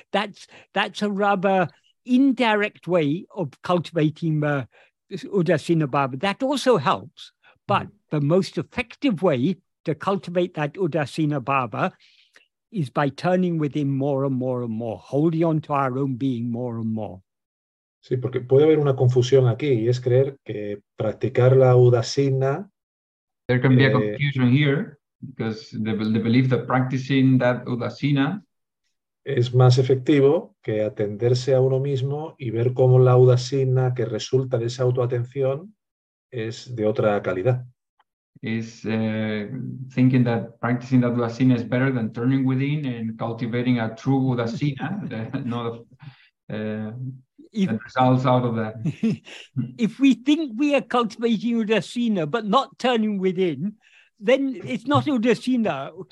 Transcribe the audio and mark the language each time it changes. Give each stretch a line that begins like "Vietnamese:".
English: That's a rather indirect way of cultivating the Udasina Bhava. That also helps. But the most effective way to cultivate that Udasina Bhava is by turning within more and more and more, holding on to our own being more and more.
Spanish: Sí, porque puede haber una confusión aquí, y es creer que practicar la Udasina...
English: There can be a confusion here, because the belief that practicing that Udasina
Spanish: es más efectivo que atenderse a uno mismo y ver cómo la udasina que resulta de esa autoatención es de otra calidad.
English: Is thinking that practicing that udasina is better than turning within and cultivating a true udasina, not that results out of that. If we think we are cultivating udasina but not turning within, then it's not udasina.